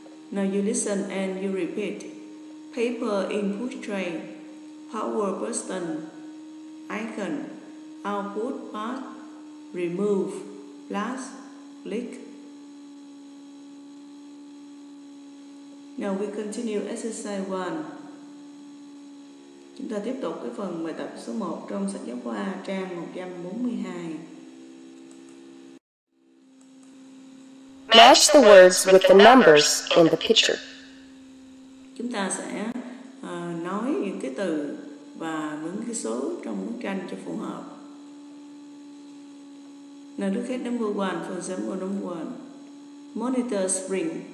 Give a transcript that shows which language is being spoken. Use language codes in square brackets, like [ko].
[en] Now you listen and you repeat. Paper in push tray, power button, icon, output part, remove, plus, click. Now we continue exercise 1. [vi] Chúng ta tiếp tục cái phần bài tập số 1 trong sách giáo khoa trang 142. [en] Match the words with the numbers in the picture. [vi] Chúng ta sẽ nói những cái từ và những cái số trong bức tranh cho phù hợp. [en] Now look at number 1, for example number 1. Monitor spring.